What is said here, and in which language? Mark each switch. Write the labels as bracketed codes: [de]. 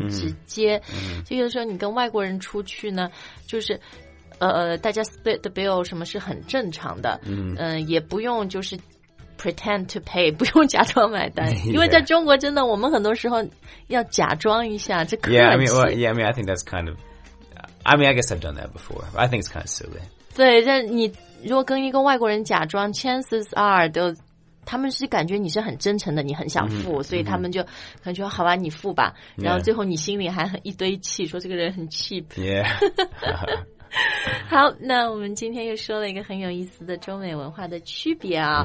[zh] 很直接、所以有的时候你跟外国人出去呢就是大家 [en] split the bill [zh] 什么是很正常的也不用就是 [en] pretend to pay [zh] 不用假装买单、 [en] yeah. [zh] 因为在中国真的我们很多时候要假装一下这客气 [en] yeah, I mean, well, yeah, I mean, I think that's kind ofI mean, I guess I've done that before. I think it's kind of silly. [zh] 对，但你如果跟一个外国人假装 ， [en] chances are [zh] 都他们是感觉你是很真诚的，你很想付，所以他们就可能就说好吧，你付吧。然后最后你心里还很一堆气，说这个人很 cheap. [en] Yeah. [zh] 好，那我们今天又说了一个很有意思的中美文化的区别啊。